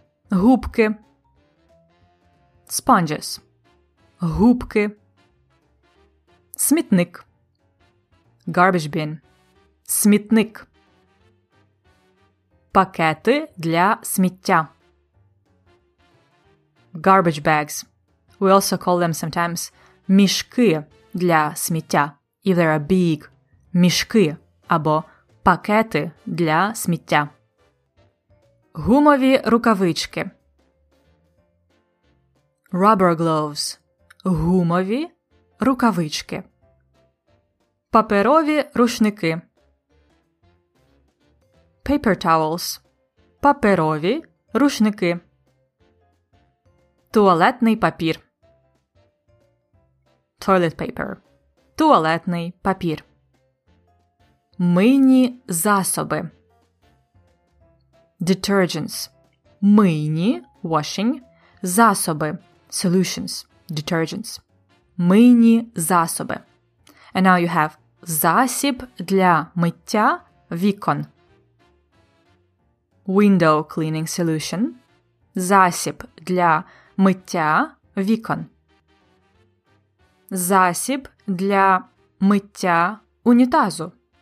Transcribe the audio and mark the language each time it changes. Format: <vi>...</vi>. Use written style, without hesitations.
<uk>Губки.</uk> <en>Sponges.</en> <uk>Губки. Смітник.</uk> <en>Garbage bin.</en> <uk>Смітник. Пакети для сміття.</uk> <en>Garbage bags. We also call them sometimes</en> <uk>мішки для сміття.</uk> <en>If they are big,</en> <uk>мішки або пакети для сміття. Гумові рукавички.</uk> <en>Rubber gloves.</en> <uk>Гумові рукавички. Паперові рушники.</uk> <en>Paper towels.</en> <uk>Паперові рушники. Туалетний папір.</uk> <en>Toilet paper.</en> <uk>Туалетний папір. Мийні засоби.</uk> <en>Detergents.</en> <uk>Мийні,</uk> <en>washing,</en> <uk>засоби,</uk> <en>solutions, detergents.</en> <uk>Мийні засоби.</uk> <en>And now you have</en> <uk>засіб для миття вікон.</uk> <en>Window cleaning solution.</en> <uk>Засіб для миття вікон. Засіб для миття унітазу.</uk>